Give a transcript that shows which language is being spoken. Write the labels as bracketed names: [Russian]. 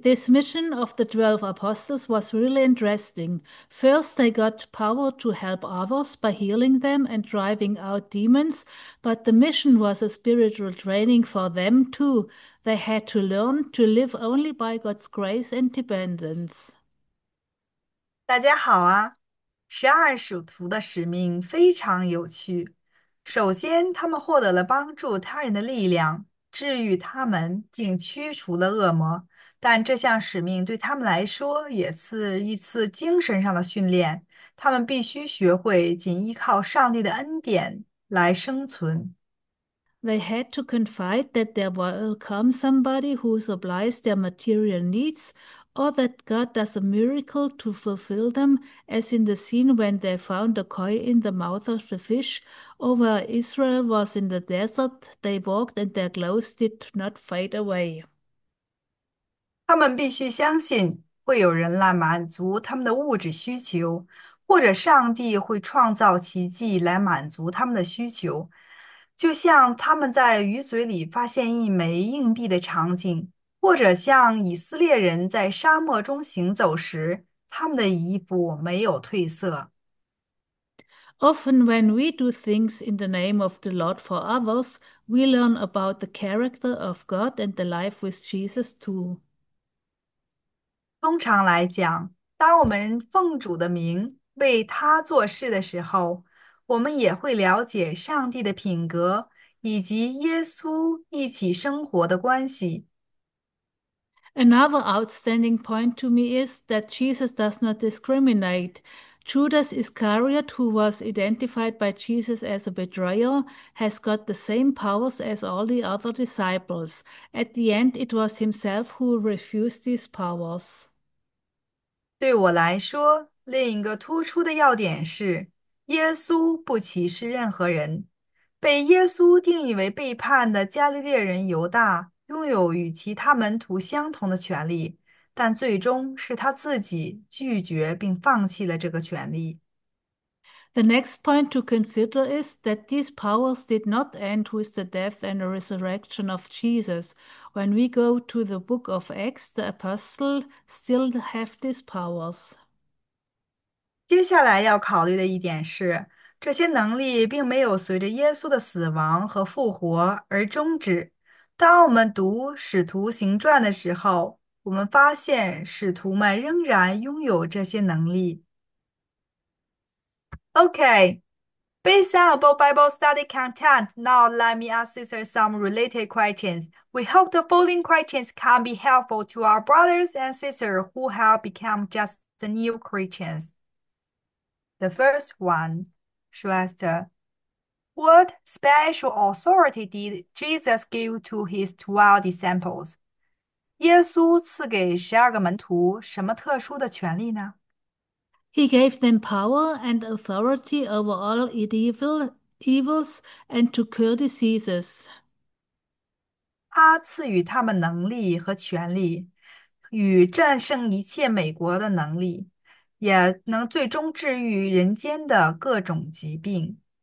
[English] This mission of the 12 apostles was really interesting. First, they got power to help others by healing them and driving out demons, but the mission was a spiritual training for them too. They had to learn to live only by God's grace and dependence. [Chinese] 大家好啊！12使徒的使命非常有趣。首先，他们获得了帮助他人的力量，治愈他们，并驱除了恶魔。但这项使命对他们来说也是一次精神上的训练，他们必须学会仅依靠上帝的恩典来生存。 [English] They had to confide that there will come somebody who supplies their material needs, or that God does a miracle to fulfill them, as in the scene when they found a koi in the mouth of the fish, or where Israel was in the desert, they walked and their clothes did not fade away. [Chinese] 他们必须相信会有人来满足他们的物质需求，或者上帝会创造奇迹来满足他们的需求，就像他们在鱼嘴里发现一枚硬币的场景，或者像以色列人在沙漠中行走时，他们的衣服没有褪色。 [English] Often, when we do things in the name of the Lord for others, we learn about the character of God and the life with Jesus too. [Chinese] 通常来讲，当我们奉主的名为他做事的时候，我们也会了解上帝的品格以及耶稣一起生活的关系。 [English] Another outstanding point to me is that Jesus does not discriminate. Judas Iscariot, who was identified by Jesus as a betrayer, has got the same powers as all the other disciples. At the end, it was himself who refused these powers. [Chinese] 对我来说，另一个突出的要点是，耶稣不歧视任何人。被耶稣定义为背叛的加利利人犹大，拥有与其他门徒相同的权利，但最终是他自己拒绝并放弃了这个权利。 [English] The next point to consider is that these powers did not end with the death and the resurrection of Jesus. When we go to the book of Acts, the apostles still have these powers. [Chinese] 接下来要考虑的一点是，这些能力并没有随着耶稣的死亡和复活而终止。当我们读《使徒行传》的时候，我们发现使徒们仍然拥有这些能力。 [English] OK，based on above Bible study content, now let me answer some related questions. We hope the following questions can be helpful to our brothers and sisters who have become just the new Christians. The first one, Shrestha, what special authority did Jesus give to his 12 disciples? [Chinese] 耶稣赐给12个门徒什么特殊的权利呢？ [English] He gave them power and authority over all evils and to cure diseases. [Chinese] 他赐予他们能力和权力，与战胜一切美国的能力。也能最终治愈人间的各种疾病。